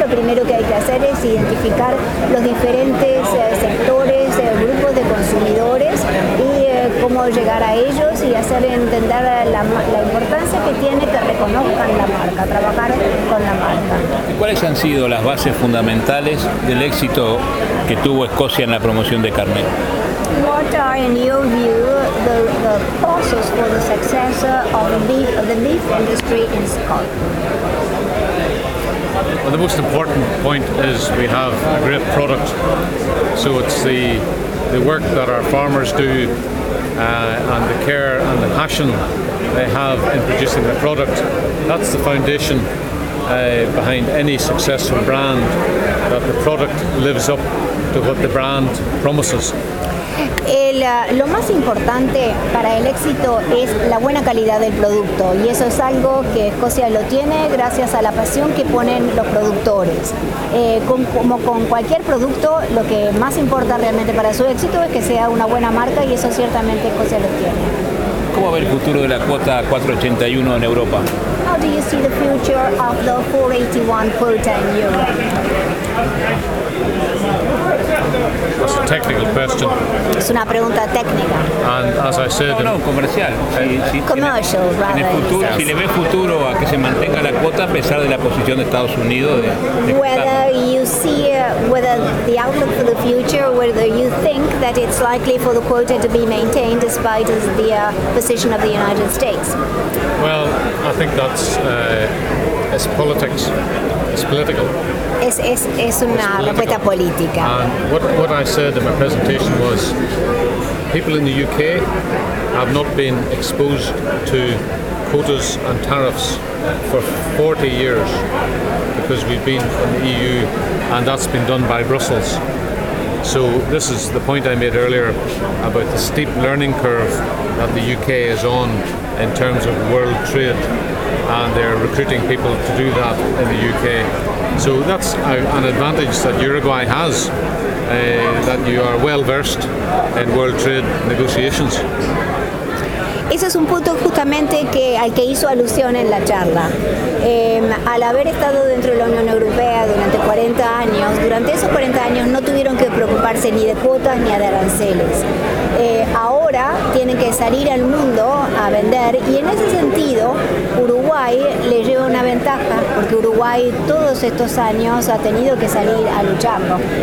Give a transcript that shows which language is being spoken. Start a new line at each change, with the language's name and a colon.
Spanish: Lo primero que hay que hacer es identificar los diferentes sectores, grupos de consumidores y cómo llegar a ellos y hacer entender la importancia que tiene que reconozcan la marca, trabajar con la marca. ¿Y cuáles han sido las bases fundamentales del éxito que tuvo Escocia en la promoción de Carmel?
English: What are, in your view, the causes for the success of the beef industry in Scotland? Well, the most important point is we have a great product. So it's the work that our farmers do and the care and the passion they have in producing the product. That's the foundation behind any successful brand, that the product lives up to what the brand promises.
Spanish: Lo más importante para el éxito es la buena calidad del producto y eso es algo que Escocia lo tiene gracias a la pasión que ponen los productores. Como con cualquier producto, lo que más importa realmente para su éxito es que sea una buena marca y eso ciertamente Escocia lo tiene. ¿Cómo ve el futuro de la cuota 481 en Europa?
English: How do you see the future of the 481 quota in Europe? That's a technical question.
Spanish: Es una pregunta técnica.
English: And as I said,
Spanish: no, comercial.
English: Commercial, rather.
Spanish: En el futuro, si le ve futuro a que se mantenga la cuota a pesar de la posición de Estados Unidos.
English: Whether you see whether the outlook for the future, whether you think that it's likely for the quota to be maintained despite the position of the United States. Well, I think that's it's politics. It's political.
Spanish: Es una respuesta política.
English: What I said in my presentation was people in the UK have not been exposed to quotas and tariffs for 40 years because we've been in the EU and that's been done by Brussels. So this is the point I made earlier about the steep learning curve that the UK is on in terms of world trade, and they're recruiting people to do that in the UK. So that's an advantage that Uruguay has, that you are well versed in world trade negotiations.
Spanish: Ese es un punto justamente que, al que hizo alusión en la charla. Al haber estado dentro de la Unión Europea durante 40 años, durante esos 40 años no tuvieron que preocuparse ni de cuotas ni de aranceles. Ahora tienen que salir al mundo a vender y en ese sentido Uruguay le lleva una ventaja porque Uruguay todos estos años ha tenido que salir a lucharlo.